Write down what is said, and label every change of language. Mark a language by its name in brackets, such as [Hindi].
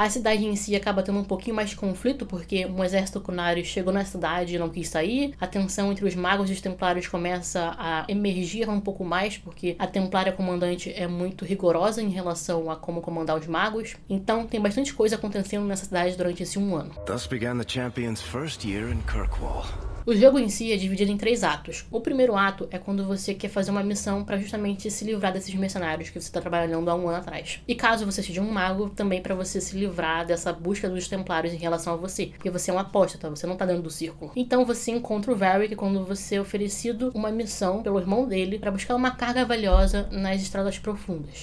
[Portuguese] A cidade em si acaba tendo um pouquinho mais de conflito, porque um exército Kunari chegou na cidade e não quis sair. A tensão entre os magos e os templários começa a emergir um pouco mais, porque a templária comandante é muito rigorosa em relação a como comandar os magos. Então, tem bastante coisa acontecendo nessa cidade durante esse um ano. [English] Thus began the champion's first year in Kirkwall. [Portuguese] O jogo em si é dividido em três atos. O primeiro ato é quando você quer fazer uma missão pra justamente se livrar desses mercenários que você tá trabalhando há um ano atrás. E caso você seja um mago, também pra você se livrar dessa busca dos templários em relação a você. Porque você é um apóstata, você não tá dentro do círculo. Então você encontra o Varric quando você é oferecido uma missão pelo irmão dele pra buscar uma carga valiosa nas Estradas Profundas.